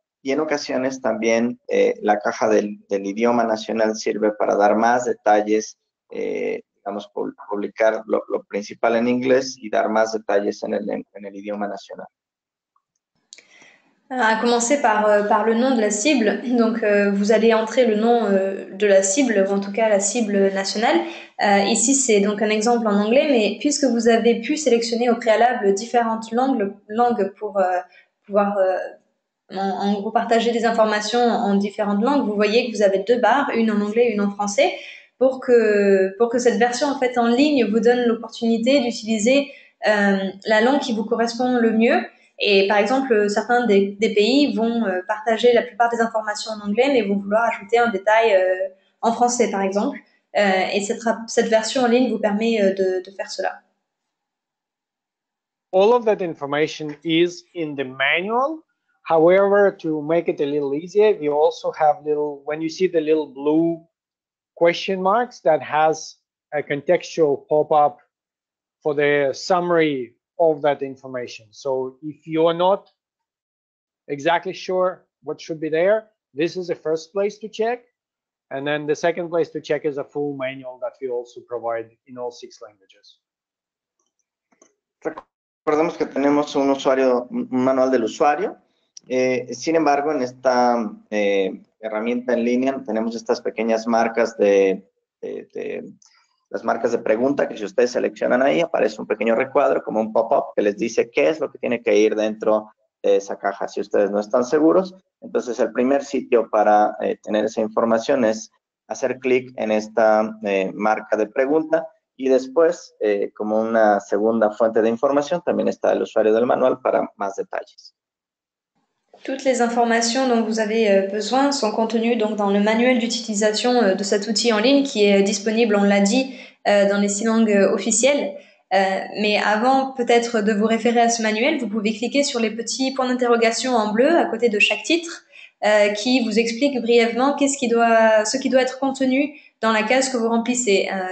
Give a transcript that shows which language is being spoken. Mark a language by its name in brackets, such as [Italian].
[Spanish] Y en ocasiones también la caja del idioma nacional sirve para dar más detalles, digamos, publicar lo principal en inglés y dar más detalles en el idioma nacional. [French] À commencer par le nom de la cible, donc vous allez entrer le nom de la cible, ou en tout cas la cible nationale. Ici c'est donc un exemple en anglais, mais puisque vous avez pu sélectionner au préalable différentes langues pour pouvoir en gros partager des informations en différentes langues, vous voyez que vous avez deux barres, une en anglais et une en français, pour que cette version en fait en ligne vous donne l'opportunité d'utiliser la langue qui vous correspond le mieux. Et par exemple, certains des pays vont partager la plupart des informations en anglais, mais vont vouloir ajouter un détail en français, par exemple. Et cette version en ligne vous permet de faire cela. [English] All of that information is in the manual. However, to make it a little easier, we also have little, when you see the little blue question marks, that has a contextual pop-up for the summary of that information. So if you're not exactly sure what should be there, this is the first place to check. And then the second place to check is a full manual that we also provide in all six languages. [Spanish] Recordemos que tenemos un usuario, un manual del usuario. Sin embargo, en esta herramienta en línea tenemos estas pequeñas marcas de las marcas de pregunta que si ustedes seleccionan ahí aparece un pequeño recuadro como un pop-up que les dice qué es lo que tiene que ir dentro de esa caja si ustedes no están seguros. Entonces, el primer sitio para tener esa información es hacer clic en esta marca de pregunta y después, como una segunda fuente de información, también está el usuario del manual para más detalles. [French] Toutes les informations dont vous avez besoin sont contenues donc dans le manuel d'utilisation de cet outil en ligne qui est disponible, on l'a dit, dans les six langues officielles. Mais avant peut-être de vous référer à ce manuel, vous pouvez cliquer sur les petits points d'interrogation en bleu à côté de chaque titre qui vous explique brièvement ce qui doit être contenu dans la case que vous remplissez.